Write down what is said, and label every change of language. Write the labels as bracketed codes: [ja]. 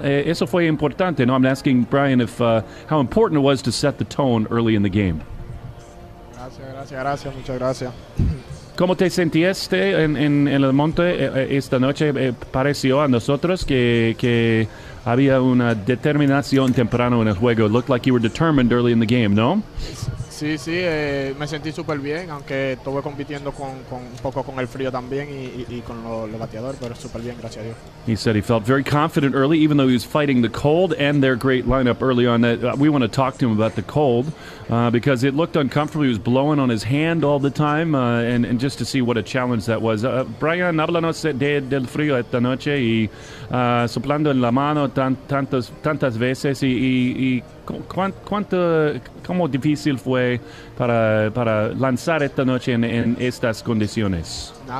[es] Eso fue importante. No, [en] I'm asking Brayan if how important it was to set the tone early in the game. [es] Gracias. Muchas gracias. ¿Cómo te sentiste en el monte esta noche? Pareció a nosotros que había una determinación temprano en el juego. [en] It looked like you were determined early in the game, [es] ¿no? Sí, me sentí súper bien, aunque estuve compitiendo con un poco con el frío también y con los bateadores, pero súper bien, gracias a Dios. [en] He said he felt very confident early, even though he was fighting the cold and their great lineup early on. We want to talk to him about the cold, because it looked uncomfortable. He was blowing on his hand all the time, and just to see what a challenge that was. [es] Brayan, háblanos del frío esta noche y soplando en la mano tantas veces y ¿cómo difícil fue para lanzar esta noche en estas condiciones?